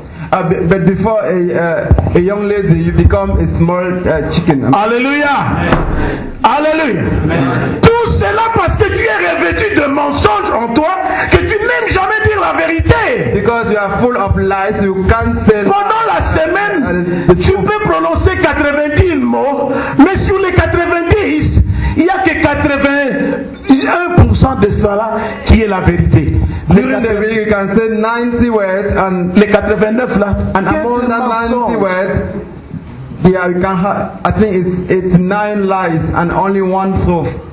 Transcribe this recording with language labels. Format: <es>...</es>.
<en>But before a young lady, you become a small chicken. Alléluia. Alléluia.</en> <fr>Tout cela parce que tu es revêtu de mensonges en toi que tu n'aimes jamais dire la vérité.</fr> <en>Because you are full of lies, you can't say.</en> <fr>Pendant la semaine, tu peux prononcer 90 mots, mais sur les 90, il n'y a que 81% de cela qui est la vérité.</fr> <en>During the week, you can say 90 words and</en> <fr>les 89 là.</fr> <en>And among that 90 words, yeah, you can have. I think it's 9 lies and only 1 truth.</en>